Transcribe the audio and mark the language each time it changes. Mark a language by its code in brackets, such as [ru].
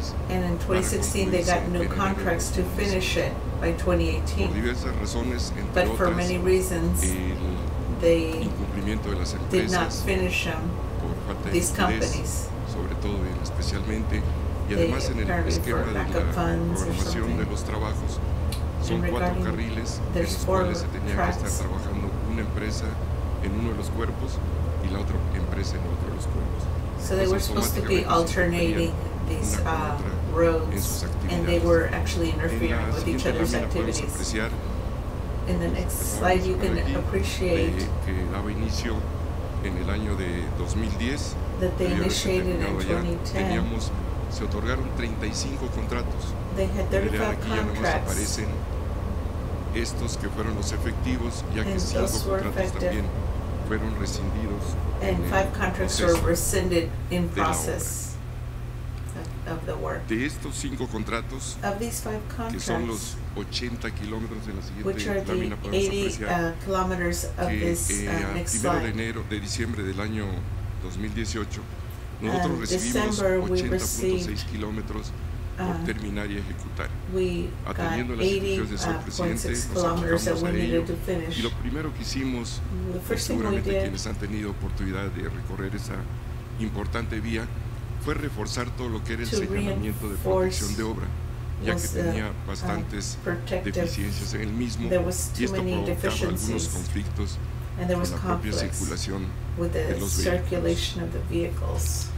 [en] And in 2016, they got new contracts to finish it by 2018. But for many reasons, they did not finish them, these companies. [es] Sobre todo, especialmente, y además en el esquema de la programación de los trabajos, son cuatro carriles en los cuales se tenía que estar trabajando una empresa en uno de los cuerpos y la otra empresa en otro de los cuerpos. [en] So they were supposed to be alternating these roads, and they were actually interfering with each other's activities. In the next slide, you can appreciate [es] que daba inicio en el año de 2010. [en] That they initiated in 2010. [es] Teníamos, se otorgaron 35 contratos. [en] They had 35 contracts. [es] Aparecen estos que fueron los efectivos, ya que cinco contratos también fueron rescindidos. [en] And five contracts were rescinded in process of the work. [es] De estos cinco contratos, [en] of these five contracts, [es] que son los 80 kilómetros de la siguiente, [en] which are the 80 kilometers of this next slide. [es] De enero, de diciembre del año 2018, nosotros recibimos 80.6 kilómetros por terminar y ejecutar. Atendiendo las instrucciones del señor presidente, nos enfocamos a ello. Y lo primero que hicimos, seguramente quienes han tenido oportunidad de recorrer esa importante vía, fue reforzar todo lo que era el señalamiento de protección de obra, ya que tenía bastantes deficiencias en el mismo, y esto provocaba algunos conflictos con la propia circulación de los vehículos.